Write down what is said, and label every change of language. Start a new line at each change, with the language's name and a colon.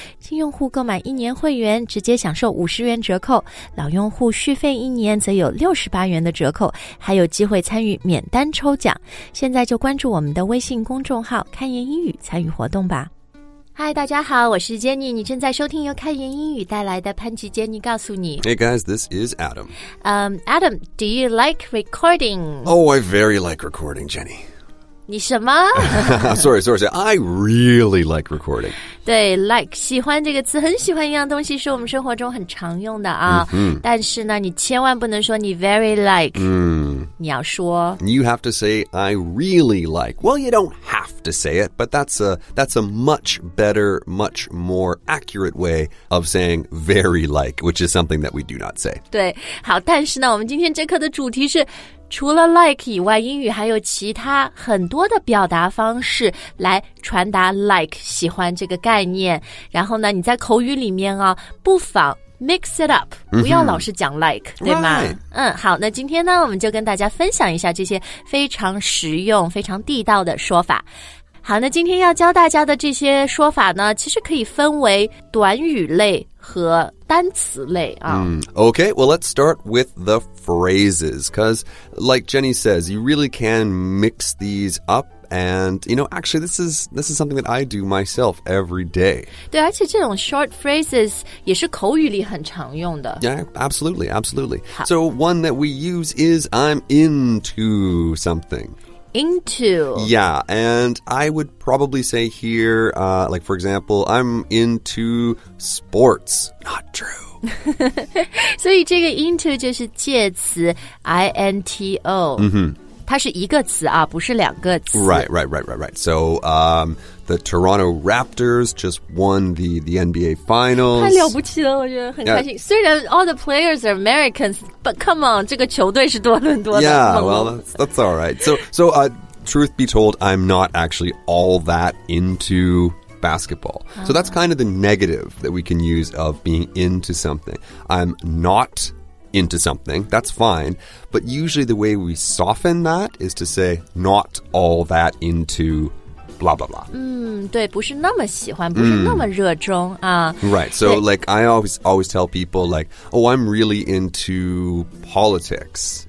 Chinese: 新用户购买一年会员直接享受50元折扣，老用户续费一年则有68元的折扣，还有机会参与免单抽奖。现在就关注我们的微信公众号开言英语参与活动吧。嗨，大家好，我是 Jenny， 你正在收听由开言英语带来的潘吉 Jenny 告诉你。
English: Hey guys, this is Adam. Adam, do you like recording? Oh, I very like recording, Jenny.
Chinese: 你什么
English: sorry, I really like recording.
Chinese: 对 like, 喜欢这个词，很喜欢一样东西是我们生活中很常用的啊。 Mm-hmm. 但是呢你千万不能说你
English: very like.、 Mm.
Chinese: 你要说。
English: You have to say, I really like. Well, you don't have to say it, but that's a much better, much more accurate way of saying very like, which is something that we do not say.
Chinese: 对，好，但是呢我们今天这课的主题是除了 like 以外，英语还有其他很多的表达方式来传达 like 喜欢这个概念。然后呢，你在口语里面啊，不妨
English: mix it up，
Chinese: 不要老是讲 like，、 mm-hmm. 对吗？
English: Right.
Chinese: 嗯，好，那今天呢，我们就跟大家分享一下这些非常实用、非常地道的说法。好，那今天要教大家的这些说法呢，其实可以分为短语类和单词类啊。
English: Mm, okay, well, let's start with the phrases, because like Jenny says, you really can mix these up, and, you know, actually, this is something that I do myself every day.
Chinese: 对，而且这种
English: short phrases
Chinese: 也是口语里很常用的。
English: Yeah, absolutely, absolutely. So one that we use is I'm into something. Into. Yeah, and I would probably say here, like for example, I'm into sports. Not true.
Chinese: 所以这个 into 就是介词 ,into.、 Mm-hmm. 它是一个词啊，不是两个词。
English: Right. So, the Toronto Raptors just won the NBA Finals.
Chinese: 太了不起了，我觉得很开心。
English: Yeah.
Chinese: 虽然
English: all the players are Americans, but come on,
Chinese: 这个球队是多伦多的。
English: Yeah, well, that's all right. So, truth be told, I'm not actually all that into basketball. So that's kind of the negative that we can use of being into something. I'm not into something, that's fine. But usually the way we soften that is to say not all that into basketball. Blah, blah, blah.
Chinese: 对，不是那么喜欢，不是那么热衷啊。
English: Right, so like I always tell people like, oh, I'm really into politics.